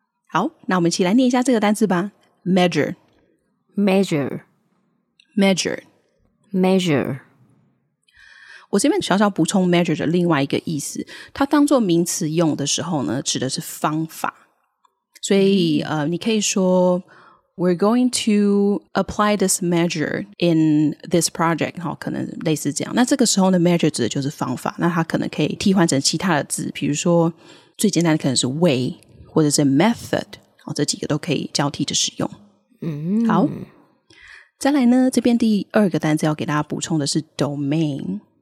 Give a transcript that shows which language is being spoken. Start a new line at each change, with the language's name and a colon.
Chinese: 好，那我们一起来念一下这个单字吧。
English: Measure Measure Measure Measure。
Chinese: 我这边小小补充 measure 的另外一个意思，它当作名词用的时候呢，指的是方法。所以你可以说
English: We're going to apply this measure in this project，
Chinese: 可能类似这样。那这个时候呢 measure 指的就是方法，那它可能可以替换成其他的字，比如说最简单的可能是 way 或者是 method， 这几个都可以交替着使用。好，再来呢，这边第二个单字要给大家补充的是 domain。